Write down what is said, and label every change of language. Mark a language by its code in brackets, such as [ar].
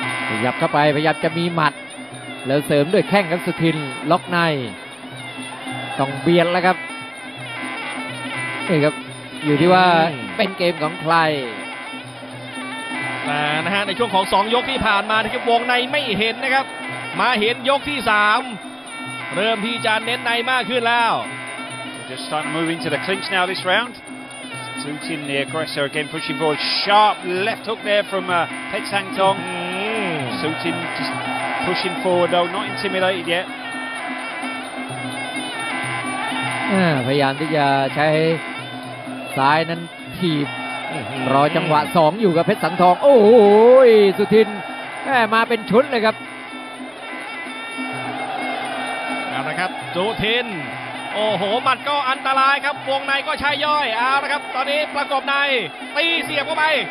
[th] ขยับเข้าไปพยายามจะมีหมัดแล้วเสริมด้วยแข้งครับสุทินล็อกในต้องเบียดแล้วครับนี่ครับอยู่ที่ว่าเป็นเกมของใคร มานะฮะในช่วงของ2ยกที่ผ่านมาที่วงในไม่เห็นนะครับมาเห็นยกที่3เริ่มที่จะเน้นในมากขึ้นแล้ว [en] Just start moving to the clinch now this roundSuiting the aggressor again, pushing forward. Sharp left hook there from Pet Sang Tong. Suiting just pushing forward though, not intimidated yet. [th] พยายามที่จะใช้ซ้ายนั้นถีบรอจังหวะ2อยู่กับเพชรสังทองโอ้ยสุทินแหมมาเป็นชุดเลยครับ เอาละครับสุทินโอ้โหหมัดก็อันตรายครับวงในก็ใช้ย่อยเอาละครับตอนนี้ประกบในตีเสียบเข้าไป